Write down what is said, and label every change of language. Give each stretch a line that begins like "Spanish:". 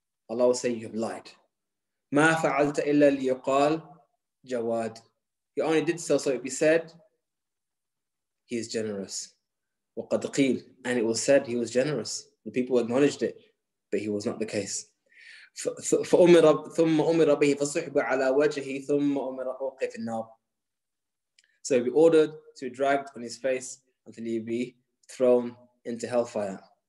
English: Allah will say, you have lied.
Arabic: مَا فَعَلْتَ إِلَّا لِيُقَالْ جَوَادْ.
English: You only did so it be said, he is generous.
Arabic: وَقَدْ قِيلْ.
English: And it was said, he was generous. The people acknowledged it, but he was not the case.
Arabic: ثُمَّ أُمِرَ بِهِ فَصُحْبَ عَلَى وَجْهِ ثُمَّ أُمِرَ أُوْقِفِ النَّارِ.
English: So he'll be ordered to be dragged on his face until he be thrown into hellfire.